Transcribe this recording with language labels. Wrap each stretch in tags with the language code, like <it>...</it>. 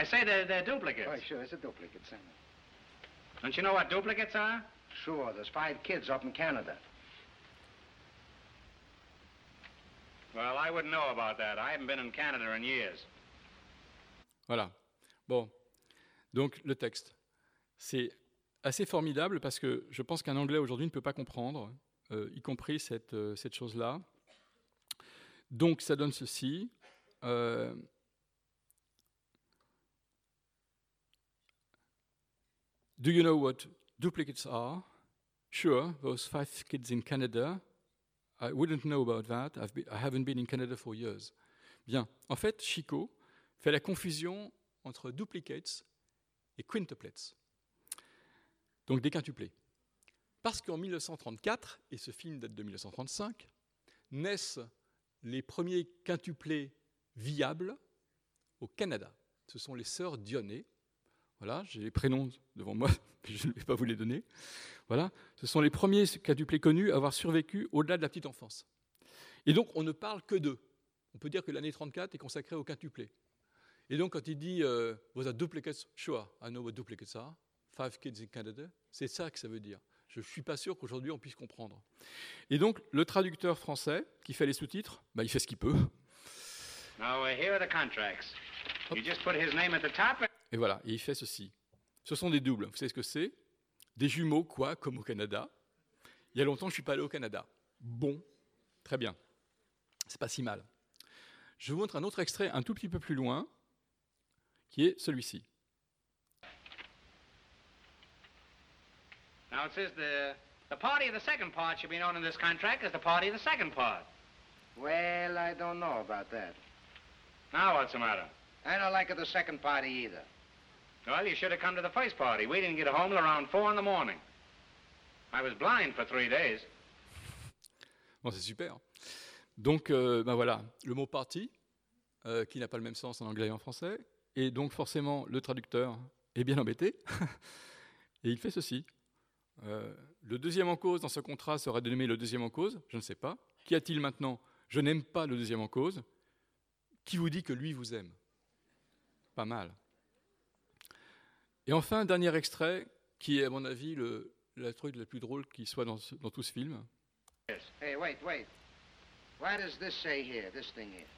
<en>I say they're duplicates. Oh, sure, it's a duplicate, Senator. Don't you know what duplicates are? Sure, there's five kids up in Canada. Well, I wouldn't know about that. I haven't been in Canada in years.</en> <fr>Voilà. Bon. Donc, le texte. C'est assez formidable parce que je pense qu'un Anglais aujourd'hui ne peut pas comprendre, y compris cette chose-là. Donc, ça donne ceci.</fr> <en>Do you know what duplicates are? Sure, those five kids in Canada... I wouldn't know about that. I haven't been in Canada for years.</en> <fr>Bien. En fait, Chico fait la confusion entre duplicates et quintuplets. Donc, décuplés. Parce qu'en 1934, et ce film date de 1935, naissent les premiers quintuplets viables au Canada. Ce sont les sœurs Dionne. Voilà, j'ai les prénoms devant moi, mais je ne vais pas vous les donner. Voilà, ce sont les premiers quintuplets connus à avoir survécu au-delà de la petite enfance. Et donc, on ne parle que d'eux. On peut dire que l'année 34 est consacrée aux quintuplets. Et donc, quand il dit, vous avez duplicates,</fr> <en>sure, I know what duplicates are, Five Kids in Canada.</en> <fr>C'est ça que ça veut dire. Je ne suis pas sûr qu'aujourd'hui on puisse comprendre. Et donc, le traducteur français qui fait les sous-titres, bah, il fait ce qu'il peut.</fr> <en>Now, here are the contracts. Hop. You just put his name at the top.</en> <fr>Et voilà, et il fait ceci. Ce sont des doubles. Vous savez ce que c'est ? Des jumeaux, quoi, comme au Canada. Il y a longtemps, je ne suis pas allé au Canada. Bon, très bien. Ce n'est pas si mal. Je vous montre un autre extrait un tout petit peu plus loin, qui est celui-ci.</fr> <en>Now it says the party of the second part should be known in this contract as the party of the second part. Well, I don't know about that. Now what's the matter? I don't like it the second party either. Well, you should have come to the first party. We didn't get home till around 4 a.m. I was blind for 3 days.</en> <fr>Bon, c'est super. Donc, ben voilà, le mot party, qui n'a pas le même sens en anglais et en français, et donc forcément, le traducteur est bien embêté, et il fait ceci. Le deuxième en cause dans ce contrat sera dénommé le deuxième en cause, je ne sais pas. Qu'y a-t-il maintenant ? Je n'aime pas le deuxième en cause. Qui vous dit que lui vous aime ? Pas mal. Et enfin, dernier extrait, qui est à mon avis le truc le plus drôle qui soit dans tout ce film.</fr> <en>Yes. Hey, wait. What does this say here, this thing here?</en>